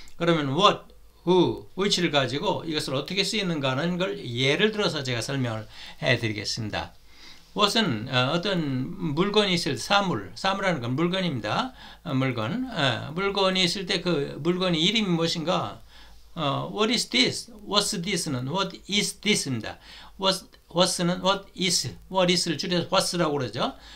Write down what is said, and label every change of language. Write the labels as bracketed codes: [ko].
[ko] 그러면 what, who, which를 가지고 이것을 어떻게 쓰이는가 하는 걸 예를 들어서 제가 설명을 해드리겠습니다. What은 어떤 물건이 있을 사물이라는 건 물건입니다. 물건이 있을 때그 물건이 이름이 무엇인가? [en] What is this? What's this는 What is this입니다. [ko] What's는 What is를 줄여서 What's라고 그러죠.